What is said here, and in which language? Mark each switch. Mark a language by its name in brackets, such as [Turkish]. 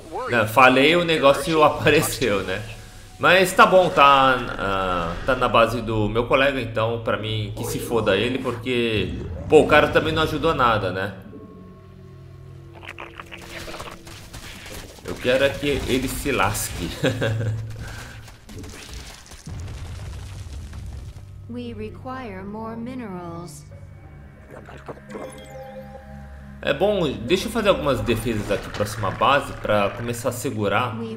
[Portuguese] Não, falei, o negócio apareceu, né? Mas tá bom, tá na base do meu colega, então pra mim que se foda ele, porque, pô, o cara também não ajudou nada, né? Eu quero é que ele se lasque. [English] We require more minerals. [Portuguese] É bom, deixa eu fazer algumas defesas aqui próxima base pra começar a segurar.